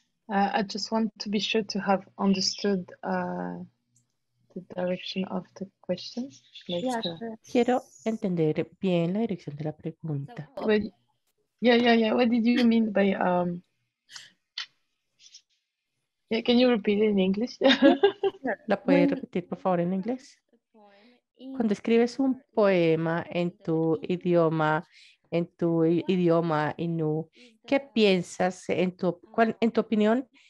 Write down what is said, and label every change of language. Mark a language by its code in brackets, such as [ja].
[en] I just want to be sure to have understood the direction of the question. [es] Quiero entender bien la dirección de la pregunta. [en] Yeah. What did you mean by yeah, can you repeat it in English? [es] ¿La puedes repetir, por favor, en inglés? Cuando escribes un poema en tu idioma Inú, ¿qué piensas en tu opinión?